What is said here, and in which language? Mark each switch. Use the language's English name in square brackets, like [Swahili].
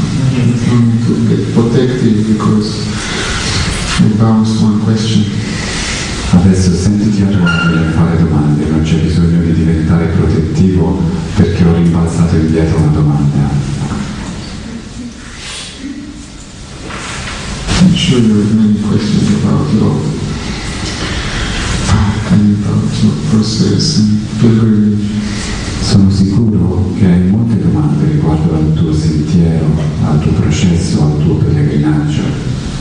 [English] I don't need to get protective because we bounce one question. [Italian] Adesso sentiti a tuo agio nel fare domande, non c'è bisogno di diventare protettivo perché ho rimbalzato indietro una domanda. [English] I'm sure you have many questions about your path and your process and pilgrimage. [Italian] Sono sicuro che hai molte domande riguardo al tuo sentiero, al tuo processo, al tuo pellegrinaggio.